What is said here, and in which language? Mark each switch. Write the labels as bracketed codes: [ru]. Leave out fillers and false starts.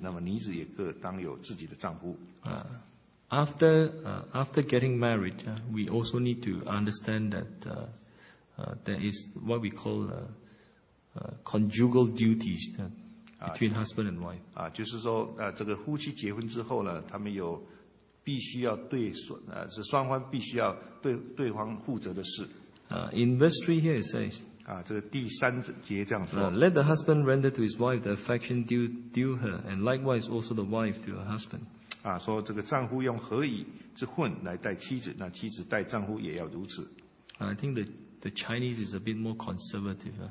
[zh] 所以要这个免淫乱的事，那男子各有自己的妻子，那么女子也各当有自己的丈夫。 [en] After getting married, we also need to understand that there is what we call conjugal duties between husband and wife. [zh] 就是说，这个夫妻结婚之后呢，他们有 必须要对双方必须要对对方负责的事。 [en] In verse 3 here it says, [zh] 这个第三节这样说, [en] let the husband render to his wife the affection due her, and likewise also the wife to her husband. [zh] 说这个丈夫用何以之婚来待妻子, 那妻子待丈夫也要如此。 [en] I think the Chinese is a bit more conservative.